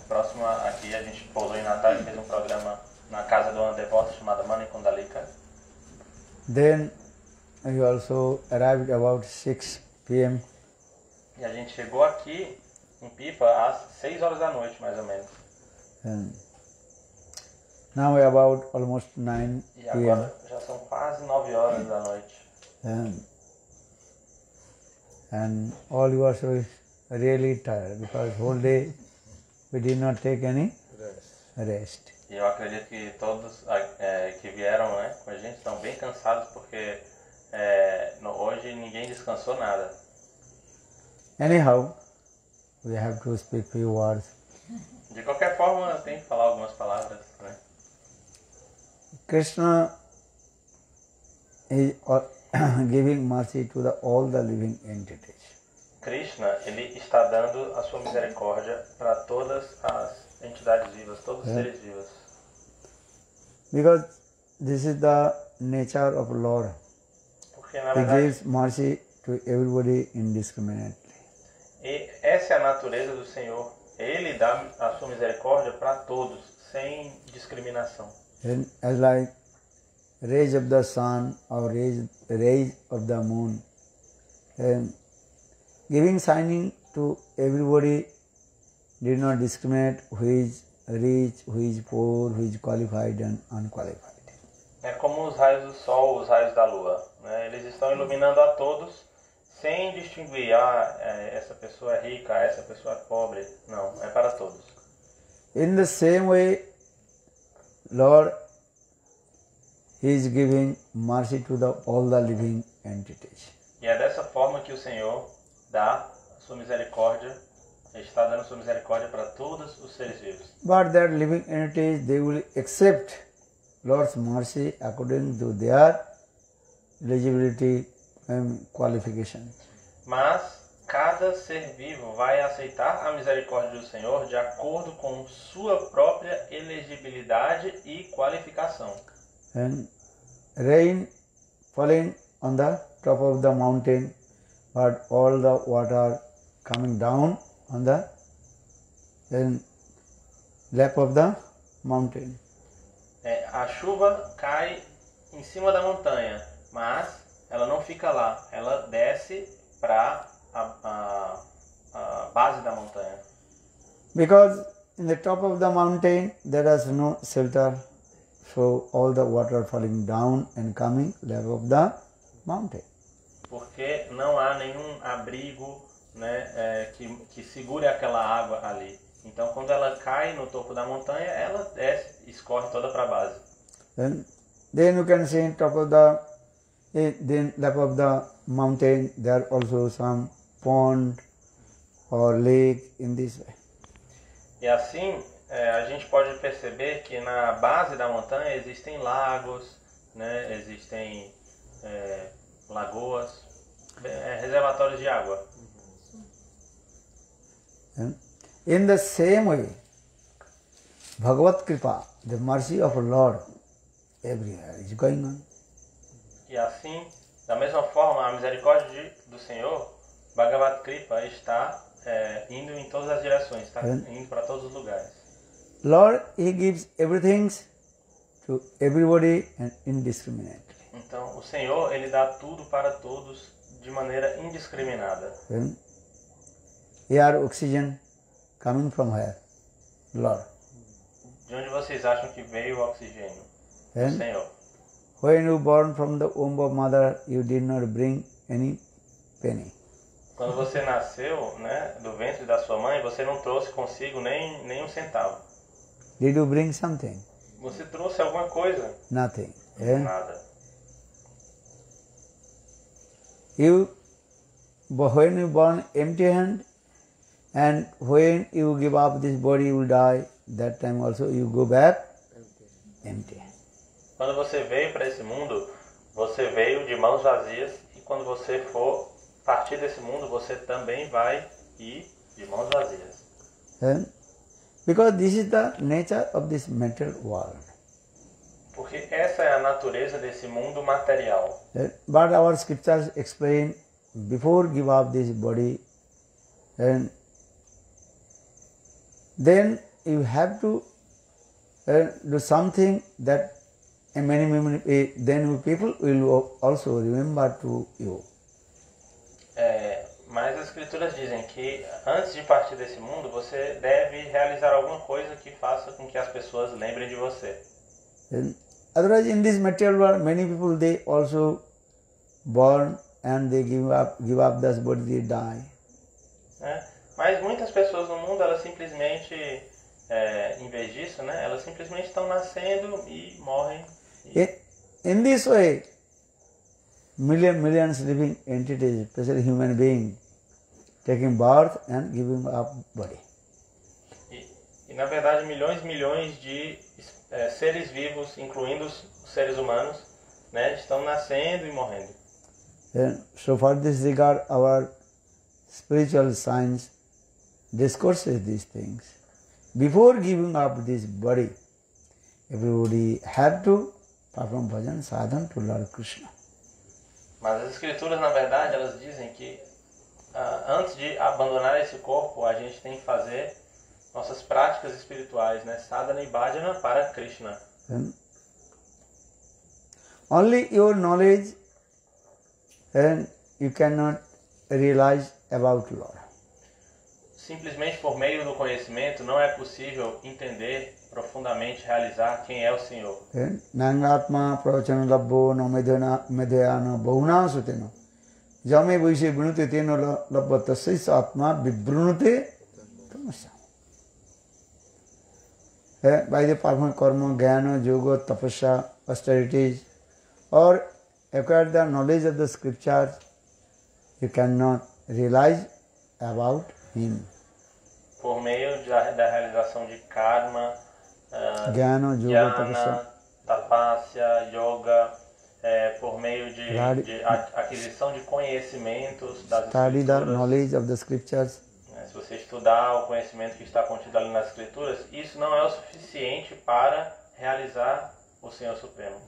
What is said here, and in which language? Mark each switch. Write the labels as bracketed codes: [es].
[pt] Próximo aqui a gente pousou em Natal e fez um programa na casa de uma devota chamada Manikondalika. [en] Then we also arrived about 6 p.m. [pt] E a gente chegou aqui em Pipa às 6 horas da noite, mais ou menos. [en] And now we are about almost 9 p.m. [pt] E agora já são quase 9 horas da noite. [en] And all you are so really tired because whole day we did not take any rest. [pt] E eu acredito que todos que vieram, né, com a gente estão bem cansados porque hoje ninguém descansou nada. [en] Anyhow, we have to speak few words. [pt] De qualquer forma, tem que falar algumas palavras, né? [en] Krishna is giving mercy to all the living entities. [pt] Krishna, ele está dando a sua misericórdia para todas as entidades vivas, todos os seres vivos. [en] Because this is the nature of Lord. [pt] Porque, na verdade, [en] he gives mercy to everybody indiscriminately. [pt] E essa é a natureza do Senhor. Ele dá a sua misericórdia para todos, sem discriminação. [en] And like rays of the sun or rays of the moon, giving shining to everybody, did not discriminate who is rich, who is poor, who is qualified and unqualified. [pt] É como os raios do sol, os raios da lua, né? Eles estão iluminando a todos, sem distinguir, essa pessoa é rica, essa pessoa é pobre. Não, é para todos. [en] In the same way, Lord, He is giving mercy to all the living entities. [pt] E é dessa forma que o Senhor dá sua misericórdia, está dando sua misericórdia para todos os seres vivos. [en] But their living entities, they will accept Lord's mercy according to their eligibility and qualification. [pt] Mas cada ser vivo vai aceitar a misericórdia do Senhor de acordo com sua própria elegibilidade e qualificação. [en] And rain falling on the top of the mountain, but all the water coming down on the lap of the mountain. [pt] A chuva cai em cima da montanha, mas ela não fica lá, ela desce para a base da montanha. [en] Because in the top of the mountain there is no shelter. So all the water falling down and coming level of the mountain. [pt] Porque não há nenhum abrigo, né, que segure aquela água ali. Então, quando ela cai no topo da montanha, ela desce, escorre toda para a base. [en] Then you can see in top of the then level of the mountain there also some pond or lake in this way. [pt] E assim, a gente pode perceber que na base da montanha existem lagos, né? Existem lagoas, reservatórios de água. [en] In the same way, Bhagavat Kripa, the mercy of Lord, everywhere is going on. [pt] E assim, da mesma forma, a misericórdia do Senhor, Bhagavat Kripa, está indo em todas as direções, está indo para todos os lugares. [en] Lord, He gives everything to everybody and indiscriminately. [pt] Então, o Senhor, ele dá tudo para todos de maneira indiscriminada. [en] Air, oxygen. Coming from where? Lord. [pt] De onde vocês acham que veio o oxigênio? Do [en] And [pt] Senhor. [en] when you born from the womb of mother, you did not bring any penny. [pt] Quando você nasceu, né, do ventre da sua mãe, você não trouxe consigo nem um centavo. [en] Did you bring something? [pt] Você trouxe alguma coisa? [en] Nothing. [pt] Nada. [en] When you born empty hand. And when you give up this body, you will die. That time also, you go back empty. [pt] Quando você veio para esse mundo, você veio de mãos vazias, e quando você for partir desse mundo, você também vai ir de mãos vazias. [en] Because this is the nature of this material world. [pt] Porque essa é a natureza desse mundo material. [en] But our scriptures explain before give up this body. Then you have to do something that many then people will also remember to you. [pt] Mas as escrituras dizem que antes de partir desse mundo, você deve realizar alguma coisa que faça com que as pessoas lembrem de você. [en] Otherwise, in this material world, many people they also born and they give up this body, they die. [pt] Mas muitas pessoas no mundo, elas simplesmente, em vez disso, né, elas simplesmente estão nascendo e morrem. [en] In this way, millions living entities, especially human being, taking birth and giving up body. [pt] E na verdade, milhões e milhões de seres vivos, incluindo os seres humanos, né, estão nascendo e morrendo. [en] So far this regard, our spiritual science discourses these things. Before giving up this body, everybody had to perform bhajan sadhan to Lord Krishna. [pt] Mas as escrituras, na verdade, elas dizem que antes de abandonar esse corpo, a gente tem que fazer nossas práticas espirituais, né? Sadhana e bhajana para Krishna. [en] Only your knowledge and you cannot realize about Lord. [pt] Simplesmente por meio do conhecimento não é possível entender profundamente realizar quem é o Senhor. [sa] Nangatma pravachana labbo no medhyana bahunasuteno. Jame vise brunute teno labbata sais atma vibrunute tamasya. [en] By the power of karma, jnana, yoga, tapasya, austerities, or acquire the knowledge of the scriptures, you cannot realize about him. [pt] Por meio da realização de karma, jnana, yoga, tapasya, yoga, por meio de aquisição de conhecimentos das [en] study [pt] escrituras, [en] the knowledge of the scriptures, [pt] se você estudar o conhecimento que está contido ali nas escrituras, isso não é o suficiente para realizar o Senhor Supremo.